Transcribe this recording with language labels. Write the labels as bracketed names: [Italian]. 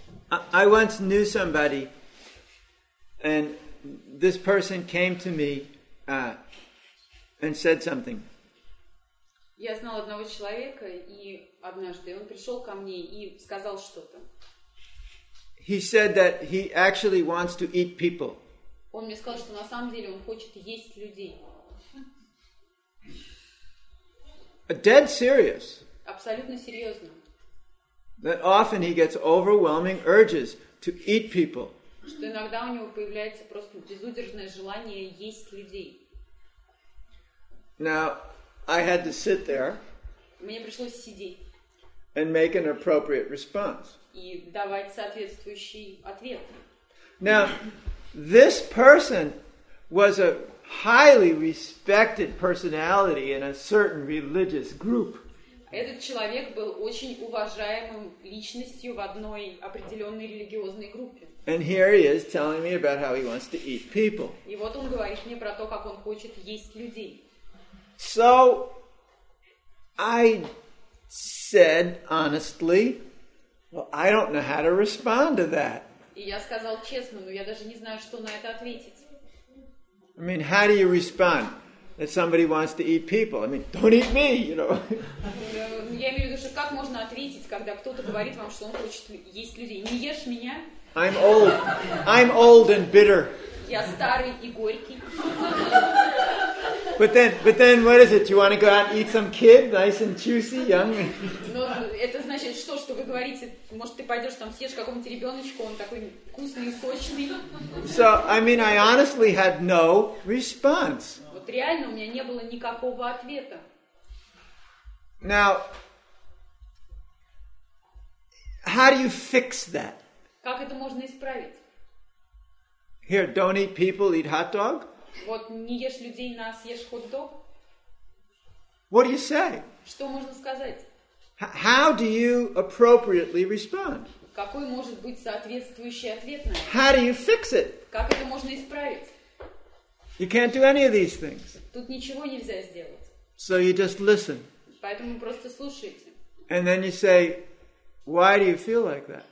[English] I once knew somebody, and this person came to me and said something. [Russian] Я знал одного человека, и однажды он пришел ко мне и сказал что-то. [English] He said that he actually wants to eat people. [Russian] Он мне сказал, что на самом деле он хочет есть людей. [English] Dead serious. [Russian] Абсолютно серьезно. [English] That often he gets overwhelming urges to eat people. [Russian] Что иногда у него появляется просто безудержное желание есть людей. [English] Now, I had to sit there. [Russian] Мне пришлось сидеть. [English] And make an appropriate response. [Russian] И давать соответствующий ответ. [English] Now, this person was a highly respected personality in a certain religious group. [Russian] Этот человек был очень уважаемым личностью в одной определенной религиозной группе. [English] And here he is telling me about how he wants to eat people. [Russian] И вот он говорит мне про то, как он хочет есть людей. [English] So I said honestly, well, I don't know how to respond to that. [Russian] И я сказал честно, но я даже не знаю, что на это ответить. [English] I mean, how do you respond? That somebody wants to eat people. I mean, don't eat me, you know. [Russian] Я имею в виду, что как можно ответить, когда кто-то говорит вам, что он хочет есть людей. Не ешь меня. [English] I'm old and bitter. [Russian] Я старый и горький. [English] But then, what is it? You want to go out and eat some kid, nice and juicy, young? [Russian] Ну, это значит, что вы говорите? Может, ты пойдешь там съешь какого-нибудь ребеночка, он такой вкусный и сочный. [English] So, I mean, I honestly had no response. [Russian] Реально у меня не было никакого ответа. [English] Now, how do you fix that? [Russian] Как это можно исправить? [English] Here, don't eat people, eat hot dog. [Russian] Вот не ешь людей, на съешь хот-дог. [English] What do you say? [Russian] Что можно сказать? [English] How do you appropriately respond? [Russian] Какой может быть соответствующий ответ на это? [English] How do you fix it? [Russian] Как это можно исправить? [English] You can't do any of these things. [Russian] Тут ничего нельзя сделать. [English] So you just listen. [Russian] Поэтому просто слушайте. [English] And then you say, why do you feel like that?